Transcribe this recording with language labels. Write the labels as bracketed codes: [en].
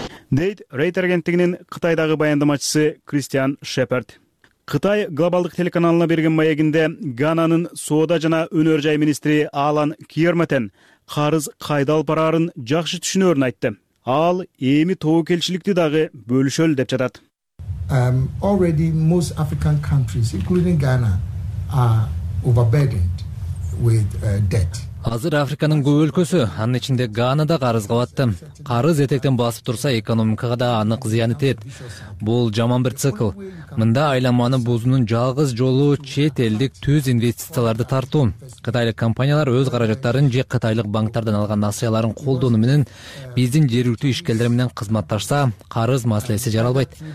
[ky] Дейт Рейтер агенттигинин Кытайдагы баяндамачысы Кристиан Шепард. Кытай глобалдык телеканалына берген маегинде Гананын соода жана өнөр жай министри Алан Кьерметен карыз кайдалып барарын жакшы түшүнөрүн айтты. Ал эми тоокелчиликти дагы бөлүшөлү деп жатат. [en] Already most African countries including Ghana are overburdened with debt. [ky] Азыр Африканын көп өлкөсү, анын ичинде Гана да карыз кабатты. Карыз этектен басып турса экономикага да анык зыян этет. Бул жаман бир цикл. Мында айланманы бузуунун жалгыз жолу чет элдик түз инвестицияларды тартуу. Кытайлык компаниялар өз каражаттарын же кытайлык банктардан алган насыяларын колдонуу менен биздин жергиликтүү ишкерлер менен кызматташса, карыз маселеси жаралбайт.